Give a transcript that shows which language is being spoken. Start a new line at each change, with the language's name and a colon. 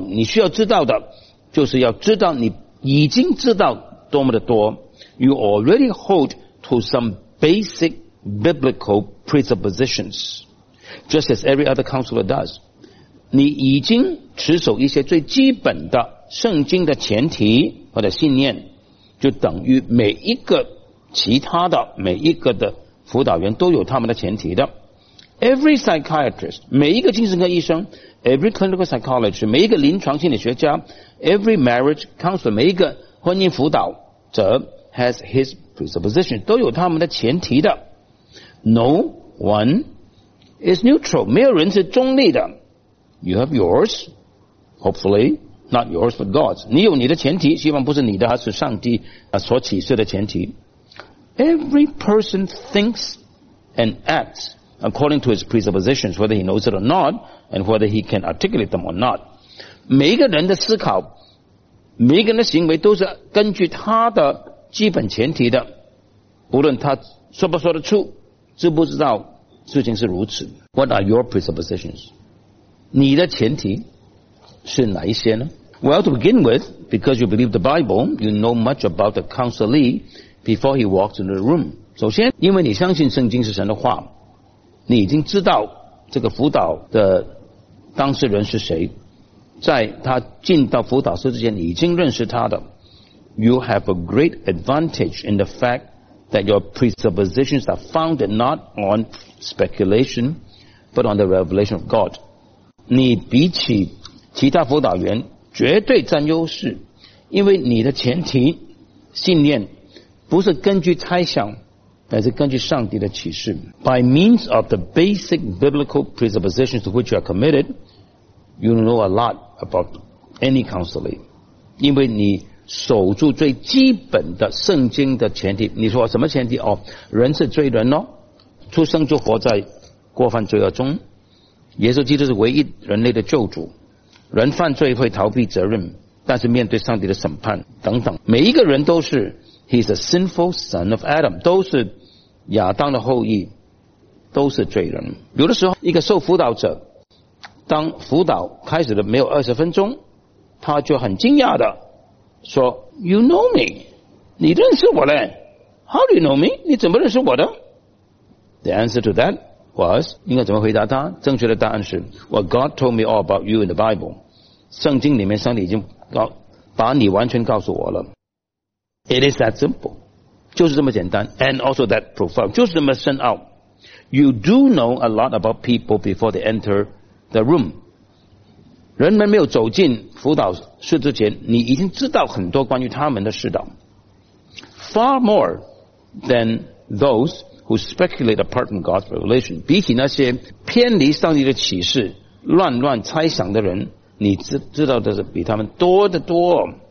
Chinese: 你需要知道的就是要知道你已经知道多么的多。
English: You already hold to some basic biblical presuppositions just as every other counselor does，
Chinese: 你已经持守一些最基本的圣经的前提或者信念，就等于每一个其他的每一个的辅导员都有他们的前提的。
English: Every psychiatrist，
Chinese: 每一个精神科医生，
English: Every clinical psychologist，
Chinese: 每一个临床心理学家，
English: Every marriage counselor，
Chinese: 每一个婚姻辅导者，
English: has his presupposition，
Chinese: 都有他们的前提的。
English: No one is neutral，
Chinese: 没有人是中立的。
English: You have yours, hopefully not yours but God's.
Chinese: 你有你的前提，希望不是你的，而是上帝所启示的前提。
English: Every person thinks and acts according to his presuppositions, whether he knows it or not, and whether he can articulate them or not.
Chinese: 每一个人的思考，每一个人的行为都是根据他的基本前提的，无论他说不说得出，知不知道事情是如此。
English: What are your presuppositions?
Chinese: 你的前提是哪一些呢？
English: Well, to begin with, because you believe the Bible, you know much about the counselee before he walks into the room.
Chinese: 首先，因为你相信圣经是神的话，你已经知道这个辅导的当事人是谁，在他进到辅导室之前，你已经认识他的。
English: You have a great advantage in the fact that your presuppositions are founded not on speculation, but on the revelation of God.
Chinese: 你比起其他辅导员绝对占优势，因为你的前提信念不是根据猜想，而是根据上帝的启示。
English: By means of the basic biblical presuppositions to which you are committed, you know a lot about any counseling.
Chinese: 因为你守住最基本的圣经的前提。你说什么前提？哦，人是罪人哦，出生就活在过犯罪恶中，耶稣基督是唯一人类的救主，人犯罪会逃避责任，但是面对上帝的审判等等。每一个人都是
English: He's a sinful son of Adam，
Chinese: 都是亚当的后裔，都是罪人。有的时候一个受辅导者当辅导开始的没有20分钟，他就很惊讶的说
English: You know me，
Chinese: 你认识我嘞？
English: How do you know me？
Chinese: 你怎么认识我的？
English: The answer to thatWas
Chinese: 应该怎么回答他？正确的答案是
English: ：Well, God told me all about you in the Bible.
Chinese: 圣经里面上帝已经把你完全告诉我了。
English: It is that simple，
Chinese: 就是这么简单。
English: And also that profound，
Chinese: 就是这么深奥。
English: You do know a lot about people before they enter the room.
Chinese: 人们没有走进辅导室之前，你已经知道很多关于他们的事道。
English: Far more than those. Who speculate apart from God's revelation？
Chinese: 比起那些偏离上帝的启示、乱乱猜想的人，你知道的是比他们多得多。